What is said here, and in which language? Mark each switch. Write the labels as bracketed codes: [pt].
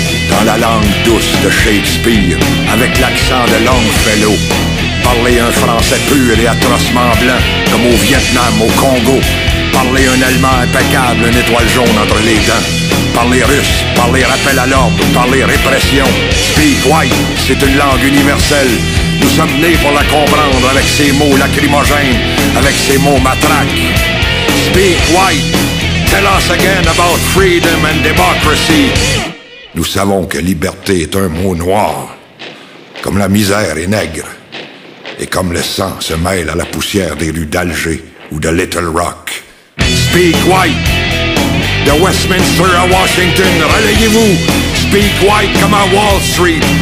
[fr] Dans la langue douce de Shakespeare, avec l'accent de Longfellow, parlez un français pur et atrocement blanc, comme au Vietnam, au Congo. Parlez un allemand impeccable, une étoile jaune entre les dents. Parlez russe, parlez rappel à l'ordre, parlez répression. [en] Speak white, [fr] c'est une langue universelle. Nous sommes nés pour la comprendre avec ses mots lacrymogènes, avec ses mots matraque. [en] Speak white, tell us again about freedom and democracy. [fr] Nous savons que liberté est un mot noir, comme la misère est nègre. Et comme le sang se mêle à la poussière des rues d'Alger ou de Little Rock. [en] Speak white! [fr] De Westminster à Washington, relayez-vous! [en] Speak white [fr] comme à Wall Street!